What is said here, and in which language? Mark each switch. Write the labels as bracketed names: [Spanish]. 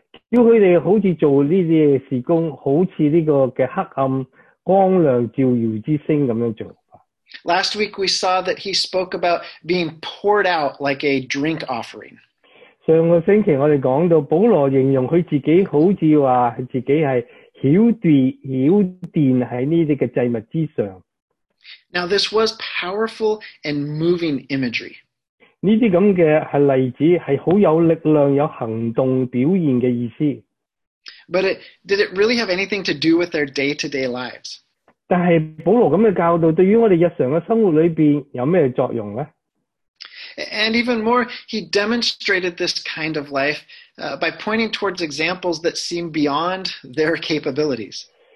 [Chinese] 叫他们好像做这些事工,好像这个黑暗光亮照耀之星这样做。 [English] Last week we saw that he spoke about being poured out like a drink offering. [Chinese] 上个星期我们讲到保罗形容他自己好像说自己是晓电在这些祭物之上。 [English] Now this was powerful and moving imagery. [Chinese] 这些例子是很有力量,有行动表现的意思。 [English] But did it really have anything to do with their day-to-day lives? [Chinese] 但是保罗这样的教导对于我们日常的生活里面有什么作用呢? [English] And even more, he demonstrated this kind of life by pointing towards examples that seem beyond their capabilities.